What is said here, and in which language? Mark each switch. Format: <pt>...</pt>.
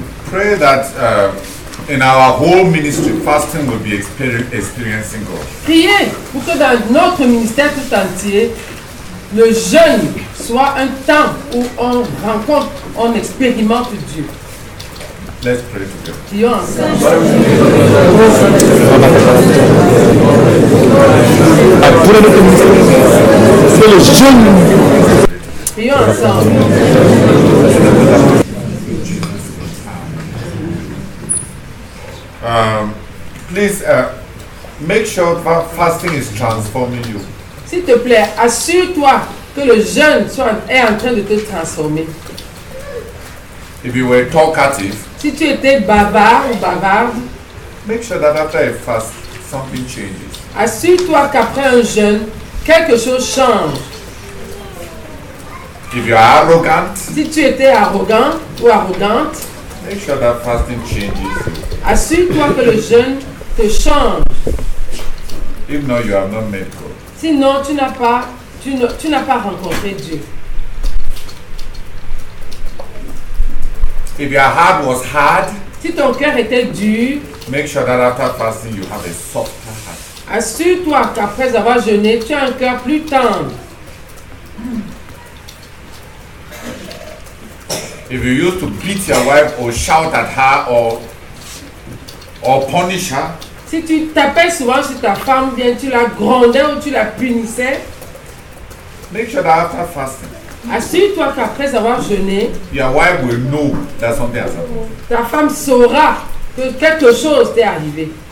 <en>Pray that in our whole ministry, fasting will be experiencing God.</en> <fr>Priez pour que dans notre ministère tout entier, le jeûne soit un temps où on rencontre, on expérimente Dieu.</fr> <en>Let's pray together.</en> <fr>Prions ensemble. Prions ensemble.</fr> <en>Make sure that fasting is transforming you.</en> <fr>S'il te plaît, assure-toi que le jeûne est en train de te transformer.</fr> <en>If you were talkative,</en> <fr>si tu étais bavard ou bavarde,</fr> <en>make sure that after a fast, something changes.</en> <fr>Assure-toi qu'après un jeûne, quelque chose change.</fr> <en>If you are arrogant,</en> <fr>si tu étais arrogant ou arrogante,</fr> <en>make sure that fasting changes.</en> <fr>Assure-toi que le jeûne te change.</fr> <en>If not, you have not met God.</en> <fr>Sinon, tu n'as pas rencontré Dieu.</fr> <en>If your heart was hard,</en> <fr>si ton cœur était dur,</fr> <en>make sure that after fasting you have a softer heart.</en> <fr>Assure-toi qu'après avoir jeûné, tu as un cœur plus tendre.</fr> <en>If you used to beat your wife or shout at her or punish her.</en> <fr>Si tu tapais souvent sur ta femme, bien tu la grondais ou tu la punissais.</fr> <en>Make sure that after fasting.</en> <fr>Assure-toi qu'après avoir jeûné,</fr> <en>your wife will know that something has happened.</en> <fr>Ta femme saura que quelque chose t'est arrivé.</fr>